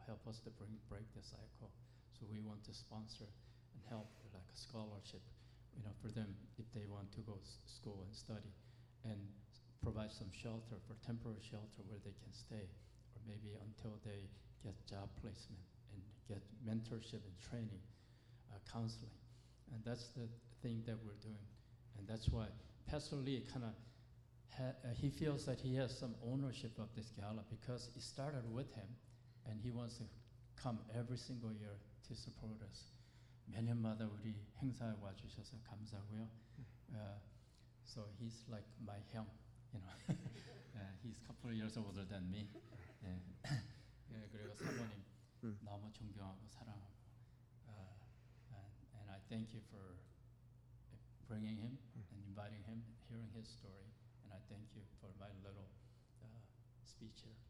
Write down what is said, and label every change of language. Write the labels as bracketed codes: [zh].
[en] Help us to break the cycle. So we want to sponsor and help like a scholarship, you know, for them if they want to go to school and study, and provide some shelter, for temporary shelter where they can stay, or maybe until they get job placement and get mentorship and training, counseling. And that's the thing that we're doing. And that's why Pastor Lee kind of, he feels that he has some ownership of this gala because it started with him, and he wants to come every single year to support us. [ko] 매년마다 우리 행사에 와주셔서 감사하고요. [en] So he's like my 형, you know. he's a couple of years older than me. [ko] 그리고 사모님 너무 존경하고 사랑하고. [en] And I thank you for bringing him and inviting him, hearing his story. And I thank you for my little speech here.